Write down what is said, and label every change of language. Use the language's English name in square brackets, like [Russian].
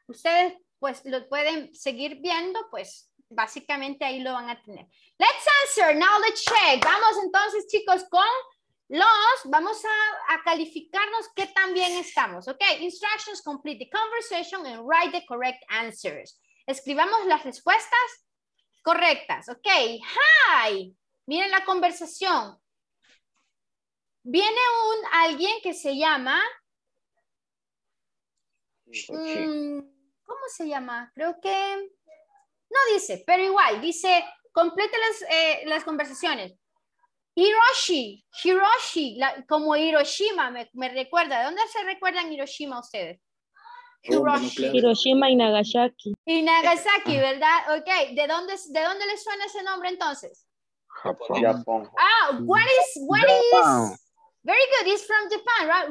[Spanish] Ustedes, pues, lo pueden seguir viendo, pues, básicamente ahí lo van a tener. [English] Let's answer, now let's check. [Spanish] Vamos entonces, chicos, con los, vamos a calificarnos qué tan bien estamos. [English] Ok, instructions, complete the conversation and write the correct answers. [Spanish] Escribamos las respuestas correctas. Ok, hi, miren la conversación. Viene alguien que se llama... ¿cómo se llama? Creo que no dice, pero igual dice, complete las conversaciones. Hiroshi, como Hiroshima, me recuerda. ¿De dónde se recuerdan Hiroshima ustedes? Hiroshima y Nagasaki. Y Nagasaki, ¿verdad? Ok, ¿de dónde les suena ese nombre entonces? Japón. [English] What is very good, it's from Japan, right?